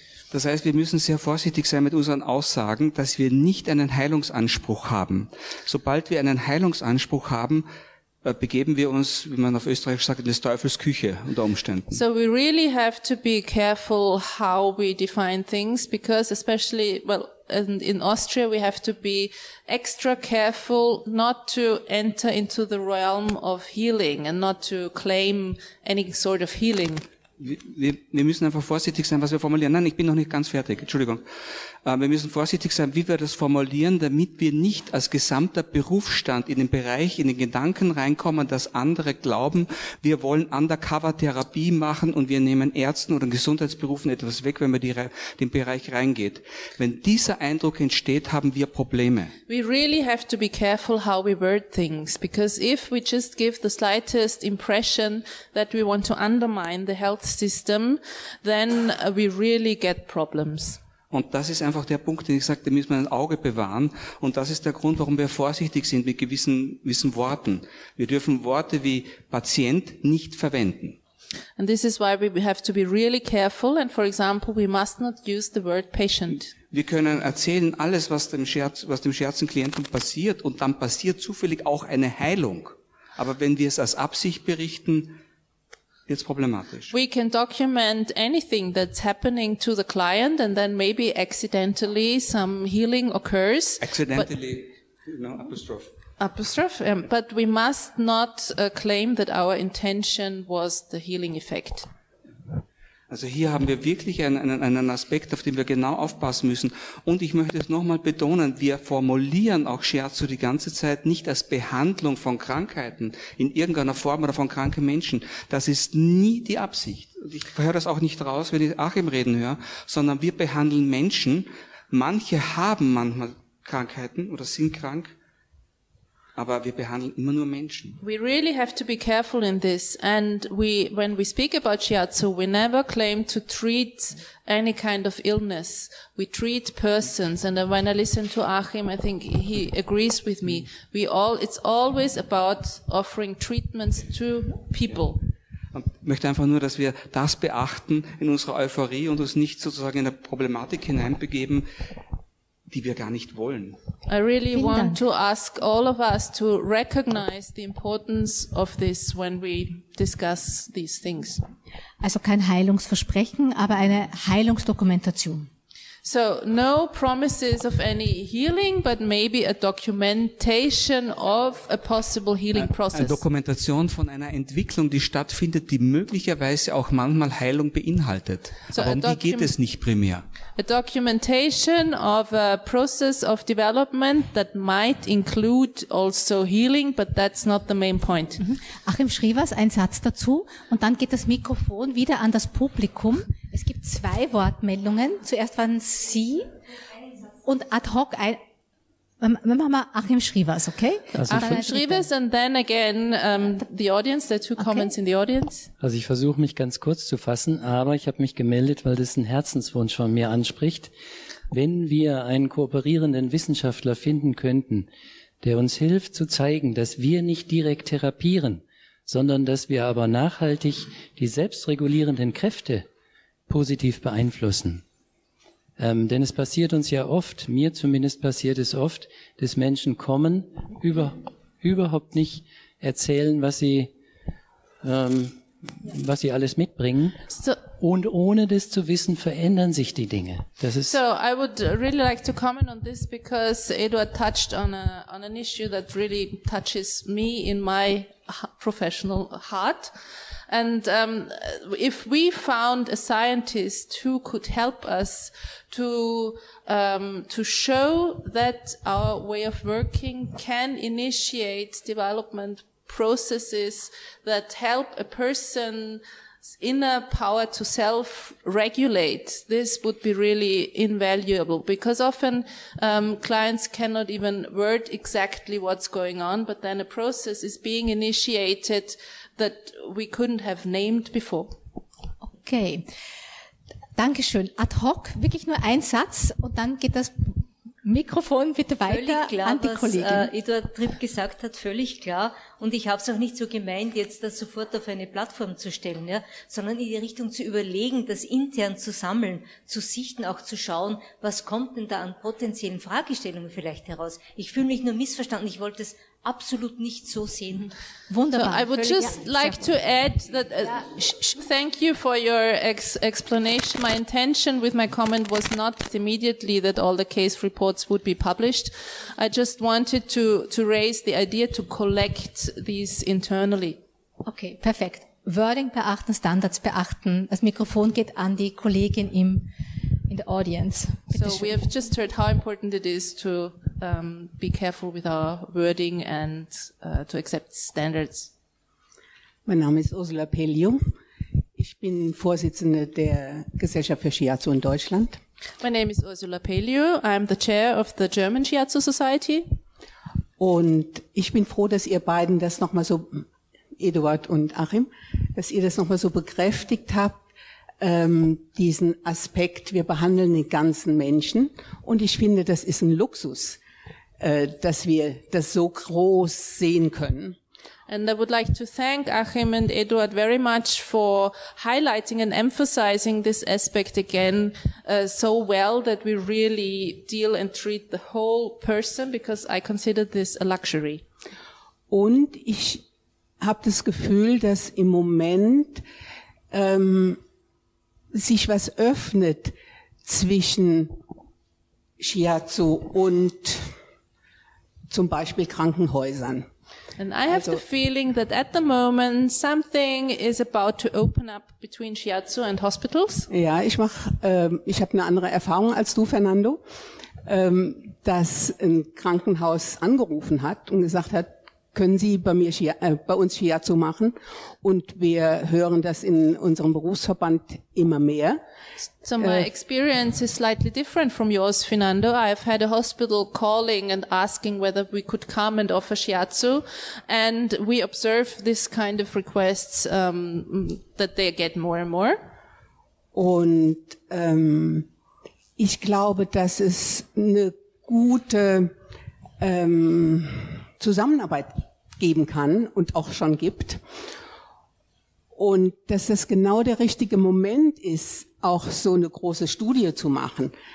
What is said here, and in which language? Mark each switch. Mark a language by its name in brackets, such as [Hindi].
[German] Das heißt, wir müssen sehr vorsichtig sein mit unseren Aussagen, dass wir nicht einen Heilungsanspruch haben. Sobald wir einen Heilungsanspruch haben, begeben wir uns, wie man auf Österreich sagt, in des Teufels Küche unter Umständen. [English] So we really have to be careful how we define things, because especially, well, in Austria we have to be extra careful not to enter into the realm of healing and not to claim any sort of healing. [German] Wir müssen einfach vorsichtig sein, was wir formulieren. Nein, ich bin noch nicht ganz fertig. Entschuldigung. Wir müssen vorsichtig sein, wie wir das formulieren, damit wir nicht als gesamter Berufsstand in den Bereich, in den Gedanken reinkommen, dass andere glauben, wir wollen Undercover-Therapie machen und wir nehmen Ärzten oder Gesundheitsberufen etwas weg, wenn man den Bereich reingeht. Wenn dieser Eindruck entsteht, haben wir Probleme. [English] We really have to be careful how we word things, because if we just give the slightest impression that we want to undermine the health system, then we really get problems. [German] Und das ist einfach der Punkt, den ich sagte, müssen wir ein Auge bewahren. Und das ist der Grund, warum wir vorsichtig sind mit gewissen Worten. Wir dürfen Worte wie Patient nicht verwenden. [English] And this is why we have to be really careful. And for example, we must not use the word patient. [German] Wir können erzählen alles, was dem Scherzenklienten passiert, und dann passiert zufällig auch eine Heilung. Aber wenn wir es als Absicht berichten, [English] it's [German] problematisch. [English] We can document anything that's happening to the client, and then maybe accidentally some healing occurs. Accidentally, no, apostrophe. Apostrophe, but we must not claim that our intention was the healing effect. [German] Also hier haben wir wirklich einen Aspekt, auf den wir genau aufpassen müssen. Und ich möchte es nochmal betonen, wir formulieren auch Shiatsu die ganze Zeit nicht als Behandlung von Krankheiten in irgendeiner Form oder von kranken Menschen. Das ist nie die Absicht. Ich höre das auch nicht raus, wenn ich Achim reden höre, sondern wir behandeln Menschen. Manche haben manchmal Krankheiten oder sind krank. Aber wir behandeln immer nur Menschen. [English] We really have to be careful in this, and when we speak about Shiatsu, we never claim to treat any kind of illness. We treat persons, and when I listen to Achim, I think he agrees with me. It's always about offering treatments to people. [German] Ich möchte einfach nur, dass wir das beachten in unserer Euphorie und uns nicht sozusagen in eine Problematik hineinbegeben, die wir gar nicht wollen. [English] I really want to ask all of us to recognize the importance of this when we discuss these things. [German] Also kein Heilungsversprechen, aber eine Heilungsdokumentation. [English] So no promises of any healing, but maybe a documentation of a possible healing process. [German] Eine Dokumentation von einer Entwicklung, die stattfindet, die möglicherweise auch manchmal Heilung beinhaltet. So aber um die geht es nicht primär. [English] A documentation of a process of development that might include also healing, but that's not the main point. Mm-hmm. [German] Achim Schrievers, ein Satz dazu, und dann geht das Mikrofon wieder an das Publikum. Es gibt zwei Wortmeldungen. Zuerst waren Sie und ad hoc ein, Achim Schrivers, okay? [English] Also Achim Schrivers and then again the audience, the two comments okay. In the audience. [German] Also ich versuche mich ganz kurz zu fassen, aber ich habe mich gemeldet, weil das ein Herzenswunsch von mir anspricht. Wenn wir einen kooperierenden Wissenschaftler finden könnten, der uns hilft zu zeigen, dass wir nicht direkt therapieren, sondern dass wir aber nachhaltig die selbstregulierenden Kräfte positiv beeinflussen. Denn es passiert uns ja oft, mir zumindest passiert es oft, dass Menschen kommen, überhaupt nicht erzählen, was sie alles mitbringen. So, und ohne das zu wissen, verändern sich die Dinge. Das ist [English] so, I would really like to comment on this because Eduard touched on an issue that really touches me in my professional heart. And if we found a scientist who could help us to show that our way of working can initiate development processes that help a person's inner power to self-regulate, this would be really invaluable, because often clients cannot even word exactly what's going on, but then a process is being initiated that we couldn't have named before. [German] Okay. Dankeschön. Ad hoc, wirklich nur ein Satz und dann geht das Mikrofon bitte weiter klar, an die Kollegin. Völlig klar, was Eduard Tripp gesagt hat, völlig klar. Und ich habe es auch nicht so gemeint, jetzt das sofort auf eine Plattform zu stellen, ja, sondern in die Richtung zu überlegen, das intern zu sammeln, zu sichten, auch zu schauen, was kommt denn da an potenziellen Fragestellungen vielleicht heraus. Ich fühle mich nur missverstanden, ich wollte es absolut nicht so sehen. Wunderbar. [English] So I would just like to add that thank you for your explanation. My intention with my comment was not immediately that all the case reports would be published. I just wanted to raise the idea to collect these internally. [German] Okay, perfekt. Wording beachten, Standards beachten. Das Mikrofon geht an die Kollegin in der Audience. [English] So we have just heard how important it is to be careful with our wording and to accept standards. [German] Mein Name ist Ursula Pelio. Ich bin Vorsitzende der Gesellschaft für Shiatsu in Deutschland. [English] My name is Ursula Pelio. I'm the chair of the German Shiatsu Society. [German] Und ich bin froh, dass ihr beiden das nochmal so, Eduard und Achim, dass ihr das nochmal so bekräftigt habt, diesen Aspekt, wir behandeln den ganzen Menschen. Und ich finde, das ist ein Luxus, dass wir das so groß sehen können. [English] And I would like to thank Achim and Eduard very much for highlighting and emphasizing this aspect again so well, that we really deal and treat the whole person, because I consider this a luxury. [German] Und ich habe das Gefühl, dass im Moment sich was öffnet zwischen Shiatsu und zum Beispiel Krankenhäusern. [English] And I have the feeling that at the moment something is about to open up between Shiatsu and hospitals. [German] Ja, ich habe eine andere Erfahrung als du, Fernando, dass ein Krankenhaus angerufen hat und gesagt hat, können Sie bei uns Shiatsu machen? Und wir hören das in unserem Berufsverband immer mehr. [English] So my experience is slightly different from yours, Fernando. I've had a hospital calling and asking whether we could come and offer Shiatsu. And we observe this kind of requests that they get more and more. [German] Und ich glaube, dass es eine gute Zusammenarbeit geben kann und auch schon gibt. Und dass das genau der richtige Moment ist, auch so eine große Studie zu machen.